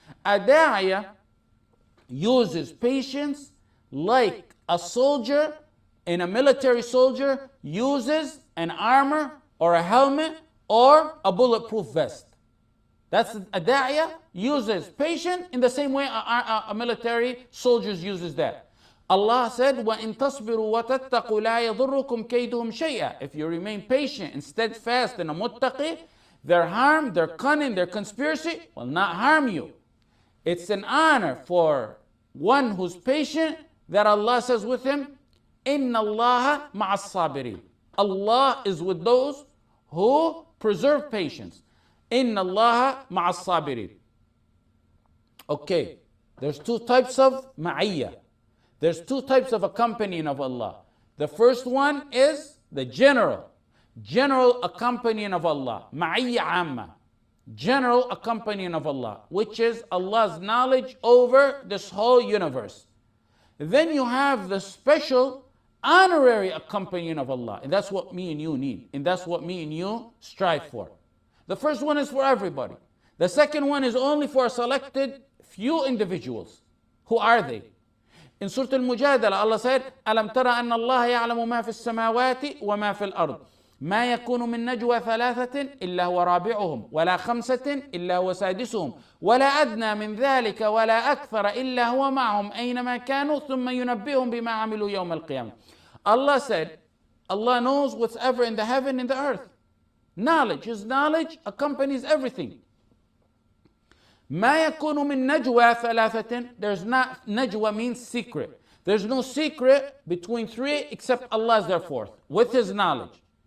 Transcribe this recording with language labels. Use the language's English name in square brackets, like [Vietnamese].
[English] A da'iyah uses patience like a soldier in a military soldier uses an armor or a helmet or a bulletproof vest. That's a da'iyah uses patience in the same way a military soldier uses that. Allah said, [Arabic] وَإِن تَصْبِرُوا وَتَتَّقُوا لَا يَضُرُّكُمْ كَيْدُهُمْ شَيْئًا. [English] If you remain patient and steadfast in a muttaqi, their harm, their cunning, their conspiracy will not harm you. It's an honor for one who's patient that Allah says with him, [Arabic] إِنَّ اللَّهَ مَعَ الصَّابِرِينَ. [English] Allah is with those who preserve patience. [Arabic] إِنَّ اللَّهَ مَعَ الصَّابِرِينَ. [English] Okay, there's two types of ma'iyyah. There's two types of accompanying of Allah. The first one is the general accompanying of Allah, ma'iyyah amma, general accompanying of Allah, which is Allah's knowledge over this whole universe. Then you have the special honorary accompanying of Allah, and that's what me and you need, and that's what me and you strive for. The first one is for everybody. The second one is only for a selected few individuals. Who are they? In Surah Al-Mujadala, Allah said, [Arabic] أَلَمْ تَرَ أَنَّ اللَّهَ يَعْلَمُ مَا فِي السَّمَاوَاتِ وَمَا فِي الْأَرْضِ مَا يَكُونُ مِنْ نَجْوَى ثَلَاثَةٍ إِلَّا هُوَ رَابِعُهُمْ وَلَا خَمْسَةٍ إِلَّا هُوَ سَادِسُهُمْ وَلَا أَدْنَى مِنْ ذَلِكَ وَلَا أَكْثَرَ إِلَّا هُوَ مَعَهُمْ أَيْنَمَا كَانُوا ثُمَّ يُنَبِّئُهُمْ بِمَا عَمِلُوا يَوْمَ الْقِيَامَةِ. [English] Allah said, Allah knows whatever in the heaven and the earth. Knowledge, his knowledge accompanies everything. [Arabic] مَا يَكُونُ مِنْ نَجْوَى ثَلَاثَةٍ. [English] There's not, najwa means secret. There's no secret between three except Allah is their fourth, with his knowledge.